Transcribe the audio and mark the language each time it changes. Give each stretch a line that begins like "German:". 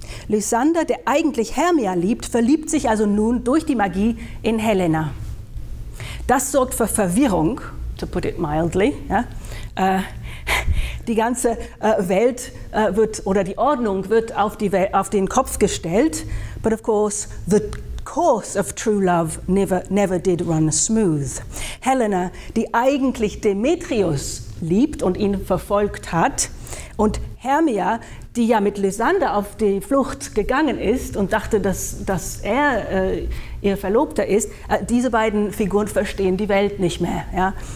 German: Lysander, der eigentlich Hermia liebt, verliebt sich also nun durch die Magie in Helena. Das sorgt für Verwirrung,
English: to put it mildly.
German: Ja. Die ganze Welt wird, oder die Ordnung wird auf den Kopf gestellt.
English: But of course, the course of true love never did run smooth.
German: Helena, die eigentlich Demetrius liebt und ihn verfolgt hat, und Hermia, die ja mit Lysander auf die Flucht gegangen ist und dachte, dass er ihr Verlobter ist, diese beiden Figuren verstehen die Welt nicht mehr. Ja?